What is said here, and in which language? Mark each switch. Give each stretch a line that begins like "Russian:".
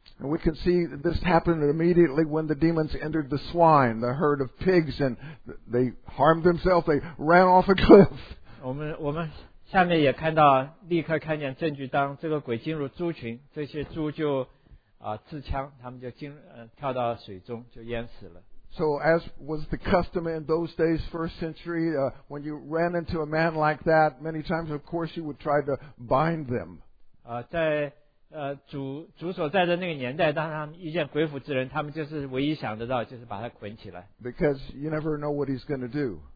English: And we can see that this happened immediately when the demons entered the swine, the herd of pigs, and they harmed themselves, they ran off a cliff.
Chinese: 我们下面也看到，立刻看见证据，当这个鬼进入猪群，这些猪就自枪，他们就跳到水中，就淹死了。So
English: as was the custom in those days, first century, when you ran into a man like that, many times, of course, you would try to bind them.
Chinese: 在主所在的那个年代，当他们遇见鬼附之人，他们就是唯一想得到，就是把他捆起来。
English: Because you never know what he's going to do.